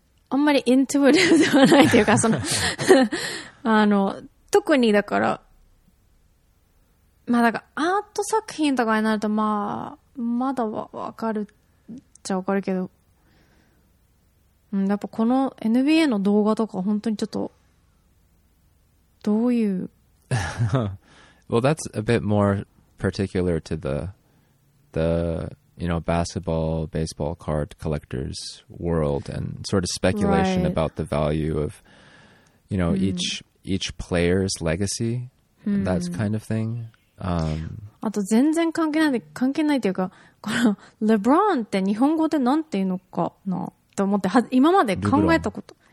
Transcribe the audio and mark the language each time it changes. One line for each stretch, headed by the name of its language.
Japanese: あんまり intuitive ではないというか、その、あの、特にだから、まあだからアート作品とかになると、まあ、まだわかるっちゃわかるけど、うん、やっぱこの NBA の動画とか本当にちょっと、どういう
English: Well, that's a bit more particular to the you know, basketball, baseball card collectors world and sort of speculation right. about the value of, you know, each player's legacy and that kind of thing.
Japanese: あと全然関係ないというか、このレブロンって日本語でなんて言うのかなと思って、今まで考えたこと。